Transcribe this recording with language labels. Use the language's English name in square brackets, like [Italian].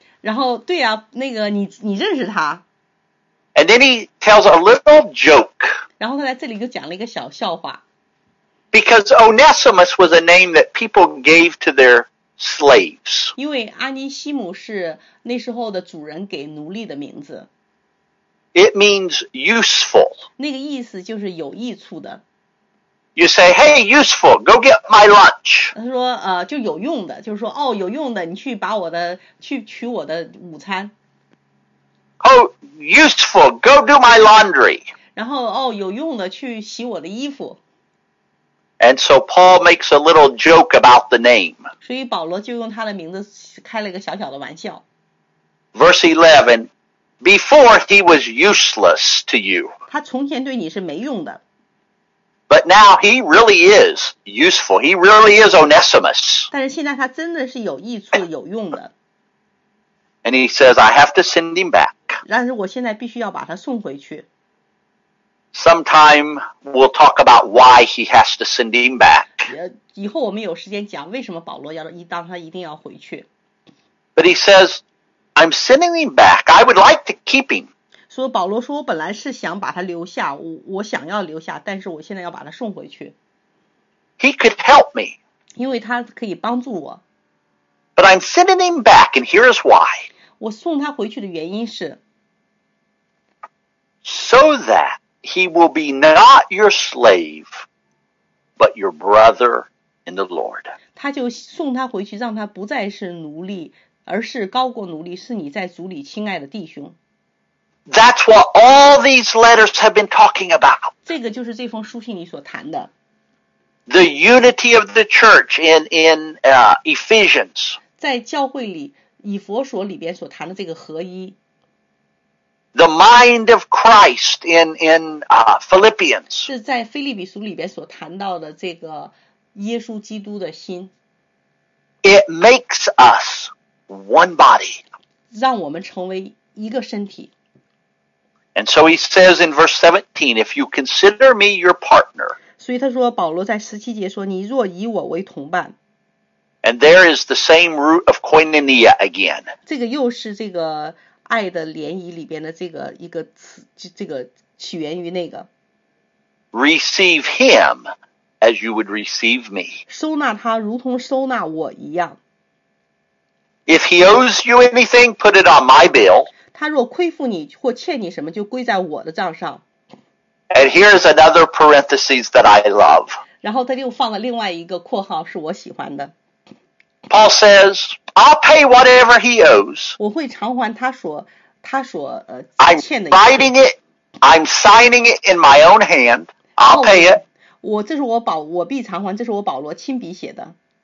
[Chinese] 然后对啊，那个你认识他。 [English] And then he tells a little joke. [Chinese] 然后他在这里就讲了一个小笑话。 [English] Because Onesimus was a name that people gave to their slaves. [Chinese] 因为阿尼西姆是那时候的主人给奴隶的名字。 [English] It means useful. [Chinese] 那个意思就是有益处的。 [English] You say, hey, useful, go get my lunch. [Chinese] 他说就有用的，就是说哦，有用的，你去把我的，去取我的午餐。 [English] Oh, useful, go do my laundry. [Chinese] 然后哦，有用的，去洗我的衣服。 [English] And so Paul makes a little joke about the name. [Chinese] 所以保罗就用他的名字开了一个小小的玩笑。 [English] verse 11, before he was useless to you. [Chinese] 他从前对你是没用的。 [English] But now he really is useful. He really is Onesimus. [Chinese] 但是现在他真的是有益处、有用的。 [English] And he says, I have to send him back. [Chinese] 但是我现在必须要把他送回去。 [English] Sometime we'll talk about why he has to send him back. [Chinese] 以后我们有时间讲为什么保罗要当他一定要回去。 [English] But he says, I'm sending him back. I would like to keep him. [Chinese] 所以保罗说我本来是想把他留下 我想要留下但是我现在要把他送回去。 [English] He could help me. [Chinese] 因为他可以帮助我。 [English] But I'm sending him back and here's why. [Chinese] 我送他回去的原因是。 [English] So that. He will be not your slave, but your brother in the Lord. [Chinese] 他就送他回去，让他不再是奴隶，而是高过奴隶，是你在主里亲爱的弟兄。 [English] That's what all these letters have been talking about. [Chinese] 这个就是这封书信里所谈的。 [English] The unity of the church in Ephesians. [Chinese] 在教会里，以弗所里边所谈的这个合一。 [English] The mind of Christ in Philippians. [Chinese] 是在腓立比书里边所谈到的这个耶稣基督的心。 [English] It makes us one body. [Chinese] 让我们成为一个身体。 [English] And so he says in verse 17, if you consider me your partner. [Chinese] 所以他说保罗在十七节说你若以我为同伴。 [English] And there is the same root of koinonia again. [Chinese] 这个又是这个爱的联谊里边的这个一个词，这个起源于那个。 [English] Receive him as you would receive me. [Chinese] 收纳他如同收纳我一样。 [English] If he owes you anything, put it on my bill. [Chinese] 他若亏负你或欠你什么，就归在我的账上。 [English] And here is another parenthesis that I love. [Chinese] 然后他又放了另外一个括号，是我喜欢的。 [English] Paul says, I'll pay whatever he owes. [Chinese] 我会偿还他所欠的。 [English] I'm writing it. I'm signing it in my own hand. I'll pay it. [Chinese] 我必偿还，这是我保罗亲笔写的。